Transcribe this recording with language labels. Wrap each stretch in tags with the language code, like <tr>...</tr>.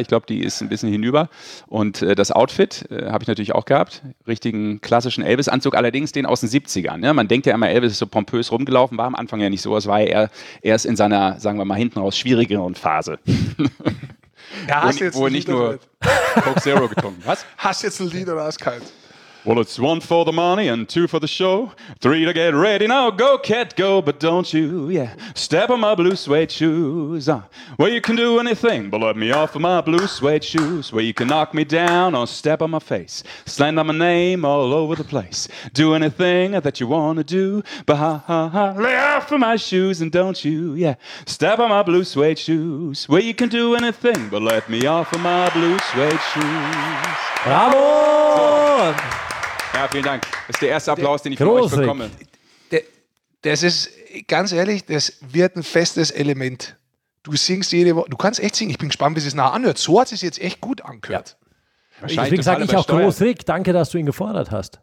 <de>Ich glaube, die ist ein bisschen hinüber. Und das Outfit habe ich natürlich auch gehabt. Richtigen klassischen Elvis-Anzug, allerdings den aus den 70ern. Ja, man denkt ja immer, Elvis ist so pompös rumgelaufen. War am Anfang ja nicht so. Es war ja eher erst in seiner, sagen wir mal, hinten raus schwierigeren Phase. Ja, wo er nicht nur Coke Zero getrunken. Was? Hast du jetzt ein Lied oder ist kalt?</de> <en>Well, it's one for the money and two for the show. Three to get ready now. Go, cat, go. But don't you, step on my blue suede shoes. Well, you can do anything, but let me off of my blue suede shoes. Well, you can knock me down or step on my face. Slander my name all over the place. Do anything that you want to do. But lay off of my shoes and don't you, step on my blue suede shoes. Well, you can do anything, but let me off of my blue suede shoes.</en> <de>Bravo! Ja, vielen Dank. Das ist der erste Applaus, den ich von euch bekomme. Das ist, ganz ehrlich, das wird ein festes Element. Du singst jede Woche, du kannst echt singen. Ich bin gespannt, wie es nachher anhört. So hat es sich jetzt echt gut angehört. Ja. Deswegen sage ich auch groß Rick, danke, dass du ihn gefordert hast.</de>